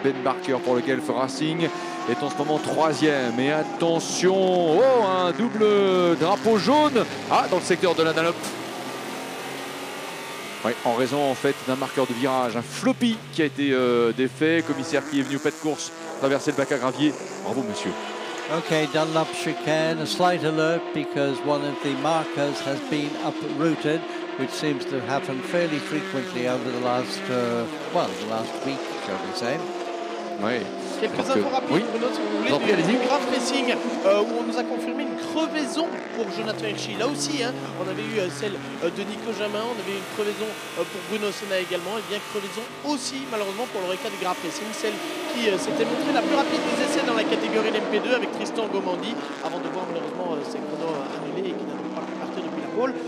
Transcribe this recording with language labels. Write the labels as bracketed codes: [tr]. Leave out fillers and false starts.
[fr] Ben Barker pour le Gulf Racing est en ce moment 3e. Et attention, oh, un double drapeau jaune dans le secteur de la Dunlop. Ouais, en raison en fait d'un marqueur de virage, un floppy qui a été défait. Commissaire qui est venu au pas de course traverser le bac à gravier. Bravo monsieur. [en] Ok, Dunlop chicane, a slight alert because one of the markers has been uprooted, which seems to happen fairly frequently over the last, the last week, shall we say. [fr] Oui. Quelques infos rapides, Bruno, si vous voulez, du Graf Racing, où on nous a confirmé une crevaison pour Jonathan Hirschi. Là aussi, on avait eu celle de Nico Jamin, on avait eu une crevaison pour Bruno Senna également, et bien crevaison aussi, malheureusement, pour le Reca du Graf Racing, celle qui s'était montrée la plus rapide des essais dans la catégorie LMP2 avec Tristan Gomandi, avant de voir malheureusement ses chronos annulés et qui n'avait pas pu partir depuis la pole.